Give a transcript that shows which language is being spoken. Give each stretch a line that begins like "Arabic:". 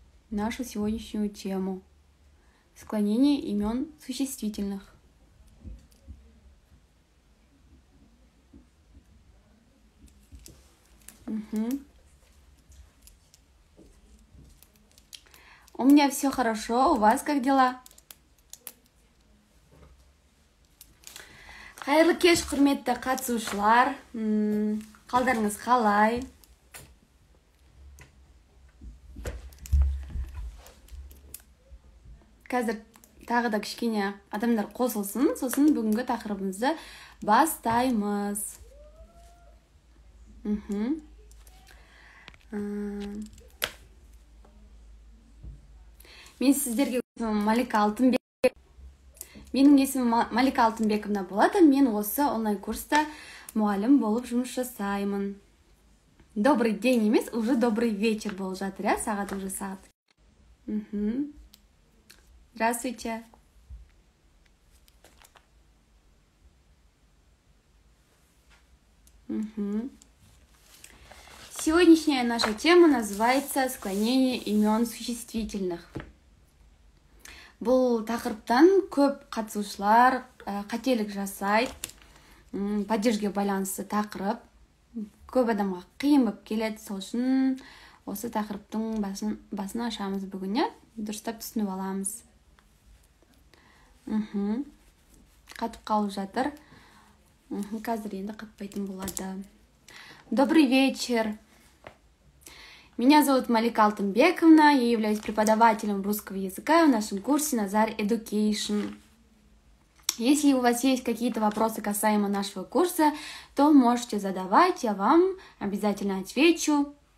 Russian: Нашу сегодняшнюю тему. Склонение имен существительных. У меня все хорошо, у вас как дела?
Kazakh: Хайырлы кеш, құрметті қатысушылар. Қалдарыңыз қалай? Қазір тағы да кішкене адамдар қосылсын, сосын бүгінгі тақырыбымызды бастаймыз. Мен сіздерге Малика Алтынбек. Менің есімім Малика Алтынбековна болады. Мен осы онлайн-курста мұғалім болып жұмыс жасаймын.
Russian: Добрый день
Kazakh: емес, уже
Russian: добрый вечер
Kazakh: болып жатыр, а? Сағат уже сағат.
Russian: Здравствуйте. Сегодняшняя наша тема называется «Склонение имен существительных».
Kazakh: Бұл тақырыптан көп қатысушылар қателік жасайды, падежге байланысты тақырып, көп адамға қиын боп келеді, сол үшін осы тақырыптың басын ашамыз бүгіне, дұрыстап түсініп аламыз. Қатып қалып жатыр, қазір енді қатпайтын болады.
Russian: Добрый вечер! Меня зовут Малика Алтынбековна, я являюсь преподавателем русского языка в нашем курсе Nazar Education. Если у вас есть какие-то вопросы касаемо нашего курса, то можете задавать, я вам обязательно отвечу.